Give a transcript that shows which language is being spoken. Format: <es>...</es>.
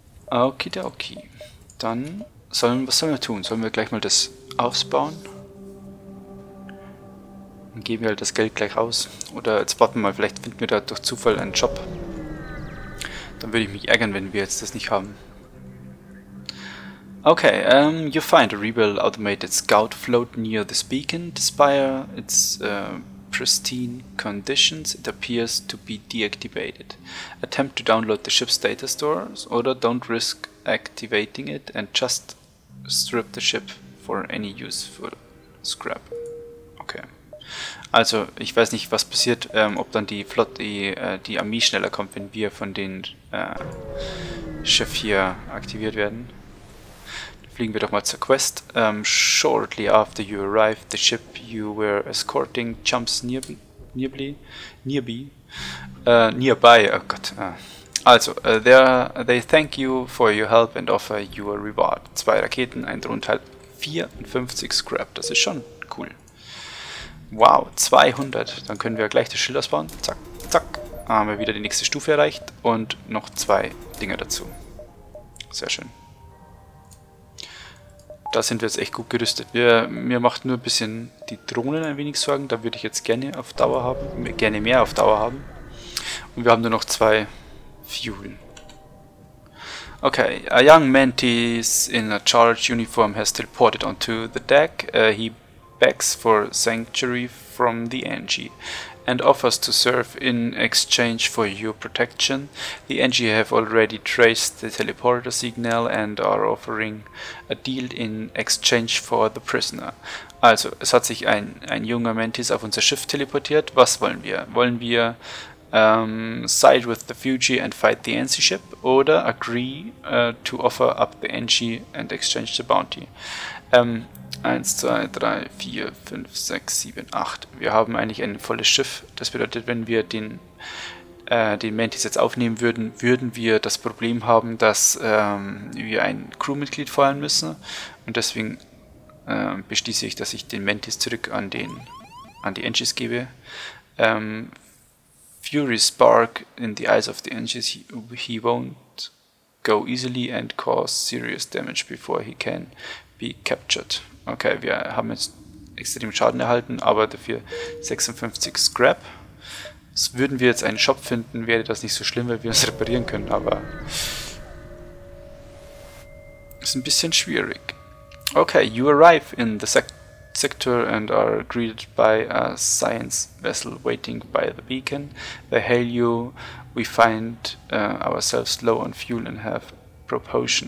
<de>Okidoki. Dann was sollen wir tun? Sollen wir gleich mal das ausbauen? Dann geben wir halt das Geld gleich aus. Oder jetzt warten wir mal, vielleicht finden wir da durch Zufall einen Job. Dann würde ich mich ärgern, wenn wir jetzt das nicht haben.</de> <en>Okay, you find a rebuild automated scout float near this beacon. The spire, it's pristine conditions, it appears to be deactivated. Attempt to download the ship's data stores, or don't risk activating it and just strip the ship for any useful scrap. Okay.</en> <de>Also, ich weiß nicht, was passiert, ob dann die Flotte, die Armee schneller kommt, wenn wir von den Schiff hier aktiviert werden. Fliegen wir doch mal zur Quest.</de> <en>Shortly after you arrived, the ship you were escorting jumps nearby.</en> <de>Oh Gott. Also,</de> <en>they thank you for your help and offer you a reward.</en> <de>2 Raketen, ein Drohnenteil, 54 Scrap. Das ist schon cool. Wow, 200. Dann können wir gleich das Schild ausbauen. Zack, zack. Dann haben wir wieder die nächste Stufe erreicht. Und noch zwei Dinge dazu. Sehr schön. Da sind wir jetzt echt gut gerüstet. Mir macht nur ein bisschen die Drohnen ein wenig Sorgen. Da würde ich jetzt gerne auf Dauer haben. Gerne mehr auf Dauer haben. Und wir haben nur noch zwei Fuel.</de> <en>Okay, a young mantis in a charged uniform has teleported onto the deck. He begs for sanctuary from the Angie and offers to serve in exchange for your protection. The Angie have already traced the teleporter signal and are offering a deal in exchange for the prisoner.</en> <de>Also, es hat sich ein junger Mantis auf unser Schiff teleportiert. Was wollen wir? Wollen wir</de> <en>side with the Fuji and fight the NC ship</en> <de>oder</de> <en>agree to offer up the NC and exchange the bounty.</en> <de>1, 2, 3, 4, 5, 6, 7, 8. Wir haben eigentlich ein volles Schiff. Das bedeutet, wenn wir den Mantis jetzt aufnehmen würden, würden wir das Problem haben, dass wir ein Crewmitglied feuern müssen. Und deswegen beschließe ich, dass ich den Mantis zurück an die NCs gebe.</de> <en>Fury spark in the eyes of the Angies, he won't go easily and cause serious damage before he can be captured.</en> <de>Okay, wir haben jetzt extrem Schaden erhalten, aber dafür 56 Scrap. Würden wir jetzt einen Shop finden, wäre das nicht so schlimm, weil wir es reparieren können, aber ist ein bisschen schwierig.</de> <en>Okay, you arrive in the sector and are greeted by a science vessel waiting by the beacon. They hail you. We find ourselves low on fuel and have proportion.</en>